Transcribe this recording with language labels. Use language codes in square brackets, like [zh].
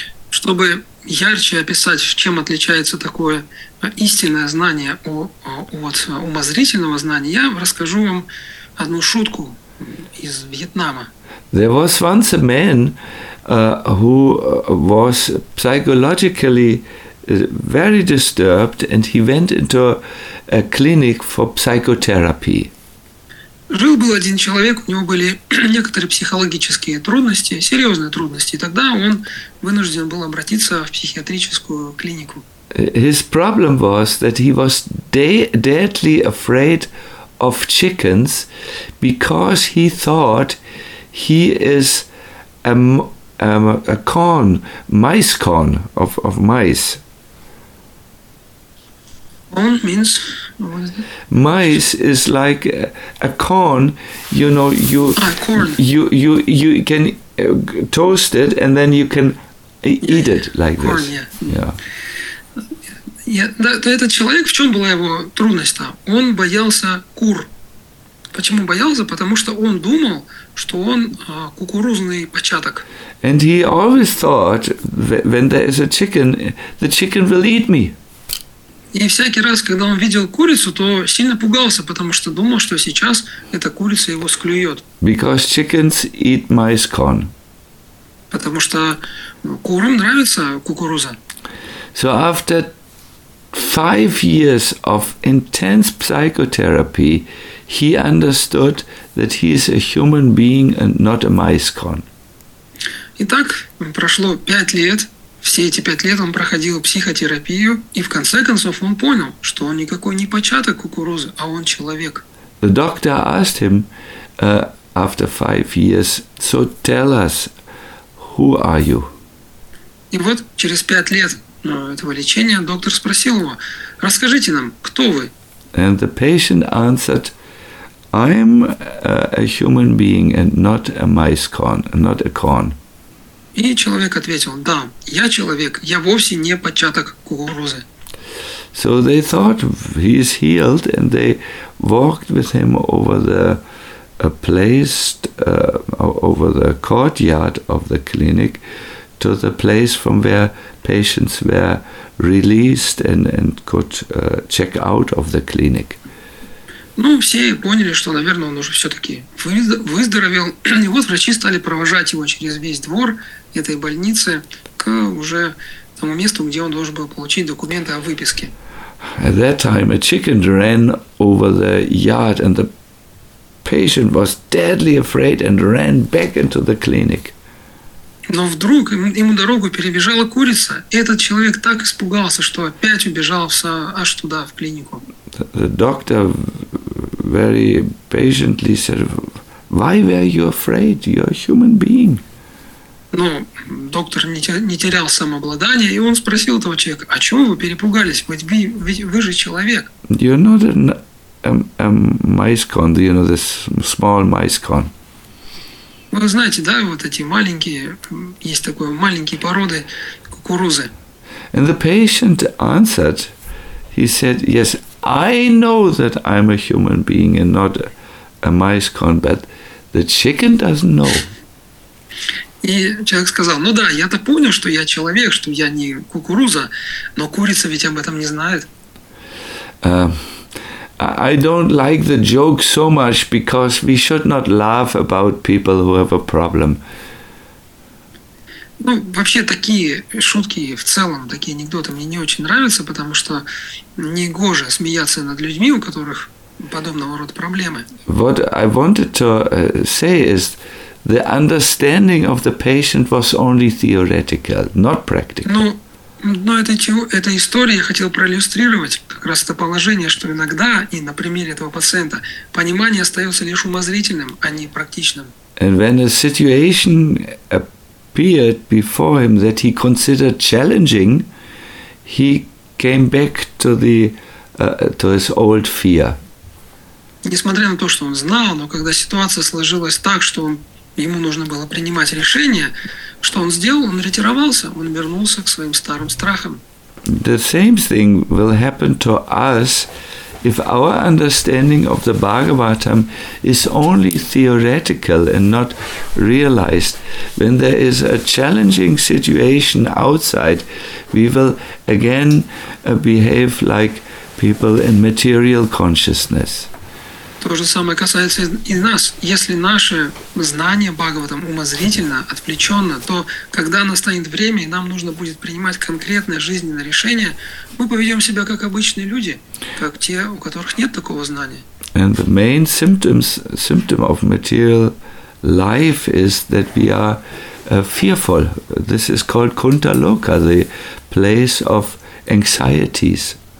[ru] Чтобы ярче описать, чем отличается такое истинное знание от умозрительного знания, я расскажу вам одну шутку из Вьетнама. [en] There was once a man who was psychologically very disturbed, and he went into a clinic for psychotherapy. [ru] Жил был один человек, у него были некоторые психологические трудности, серьезные трудности. И тогда он вынужден был обратиться в психиатрическую клинику. [en] His problem was that he was deadly afraid of chickens, because he thought he is a corn, mice corn of mice. Corn means mice is like a corn. You know, you you can toast it and then you can eat it like corn, this. Yeah. [ru] То этот человек, в чем была его трудность-то? Он боялся кур. Почему боялся? Потому что он думал, что он кукурузный початок. [en] And he always thought that when there is a chicken, the chicken will eat me. [ru] И всякий раз, когда он видел курицу, то сильно пугался, потому что думал, что сейчас эта курица его склюет. [en] Because chickens eat mice corn. [ru] Потому что курам нравится кукуруза. [en] So after 5 years of intense psychotherapy, he understood that he is a human being and not a mice corn. [ru] Итак, прошло 5 лет в Все эти 5 лет он проходил психотерапию, и в конце концов он понял, что он никакой не початок кукурузы, а он человек. [en] The doctor asked him after 5 years, so tell us, who are you? [ru] И вот через 5 лет этого лечения доктор спросил его: расскажите нам, кто вы? [en] And the patient answered, I'm a human being and not a mice corn, not a corn. [ru] И человек ответил: да, я человек, я вовсе не початок кукурузы. [en] So they thought he is healed, and they walked with him over the placed over the courtyard of the clinic to the place from where patients were released and could check out of the clinic. [ru] Ну, все поняли, что, наверное, он уже все-таки выздоровел. И вот врачи стали провожать его через весь двор этой больницы к уже тому месту, где он должен был получить документы о выписке. [en] At that time, a chicken ran over the yard, and the patient was deadly afraid and ran back into the clinic. [ru] Но вдруг ему дорогу перебежала курица, и этот человек так испугался, что опять убежал аж туда, в клинику. [en] The doctor very patiently said, why were you afraid? You're a human being. [ru] Ну, доктор не терял самообладание, и он спросил этого человека: а чего вы перепугались? Вы же человек. [en] You're not a mice con, you know, this small mice con. [ru] Вы знаете, да, вот эти маленькие, есть такое, маленькие породы кукурузы. [en] And the patient answered, he said, yes, I know that I'm a human being and not a mice con, but the chicken doesn't know. [ru] И человек сказал: ну да, я-то понял, что я человек, что я не кукуруза, но курица ведь об этом не знает. [en] I don't like the joke so much because we should not laugh about people who have a problem. [ru] Ну, вообще такие шутки в целом, такие анекдоты мне не очень нравятся, потому что негоже смеяться над людьми, у которых подобного рода проблемы. [en] What I wanted to say is the understanding of the patient was only theoretical, not practical. [ru] Но эта история, я хотел проиллюстрировать как раз это положение, что иногда, и на примере этого пациента, понимание остается лишь умозрительным, а не практичным. [en] And when a situation appeared before him that he considered challenging, he came back to the to his old fear. [ru] Несмотря на то, что он знал, но когда ситуация сложилась так, что ему нужно было принимать решение, что он сделал? Он ретировался, он вернулся к своим старым страхам. [en] The same thing will happen to us if our understanding of the Bhagavatam is only theoretical and not realized. When there is a challenging situation outside, we will again behave like people in material consciousness. [ru] То же самое касается и нас. Если наше знание Бхагаватам умозрительно, отвлеченно, то когда настанет время, и нам нужно будет принимать конкретное жизненное решение, мы поведем себя как обычные люди, как те, у которых нет такого знания. [en] And the main symptom of material life is that we are fearful. This is called Kuntaloka, the place of anxieties.